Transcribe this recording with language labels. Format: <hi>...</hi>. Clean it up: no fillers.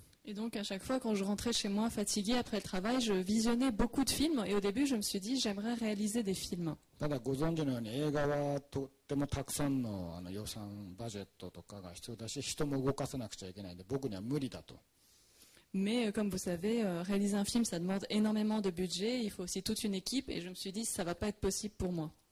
<fr>Et donc à chaque fois, quand je rentrais chez moi fatigué après le travail, je visionnais beaucoup de films. Et au début, je me suis dit, j'aimerais réaliser des films.</fr> <ja>ただご存知のように、映画はとってもたくさんの、あの予算、バジェットとかが必要だし、人も動かさなくちゃいけないんで、僕には無理だと。</ja> <fr>Mais comme vous savez, réaliser un film, ça demande énormément de budget. Il faut aussi toute une équipe. Et je me suis dit, ça ne va pas être possible pour moi.</fr>